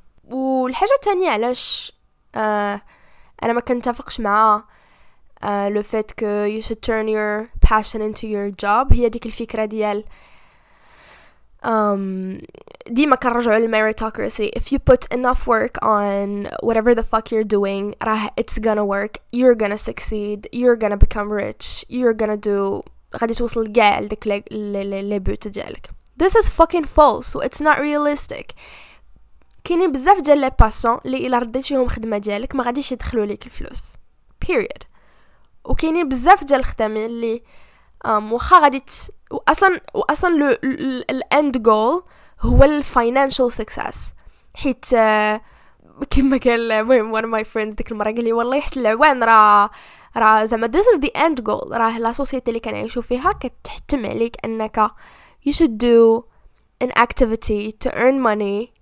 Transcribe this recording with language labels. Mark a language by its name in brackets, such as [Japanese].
[Arabic] والحاجة التانية علاش أنا ما كنتفقش مع لو فيت كو [English] you should turn your passion into your job [Arabic] هي ديك الفكرة ديال ديما كنرجعو للميريتوكراسي. [English] If you put enough work on whatever the fuck you're doing راه it's gonna work. You're gonna succeed. You're gonna become rich. You're gonna do [Arabic] غادي توصل كاع لديك لي بوت ديالك. [English] This is fucking false. It's not realistic. [Arabic] كاين بزاف ديال لي باسون اللي الا رديتيهم خدمه ديالك ما غاديش يدخلوا ليك الفلوس بيريود. وكاينين بزاف ديال الخدام اللي واخا غادي واصلا الاند جول هو الفاينانشال سكسس، حيت كما قال المهم وان ماي فريند ديك المره قال لي والله حتى العوان راه زعما [English] this is the end goal، [Arabic] راه لا سوسيتي اللي كنعيشوا فيها كتحتم عليك انك [English] you should do an activity to earn money.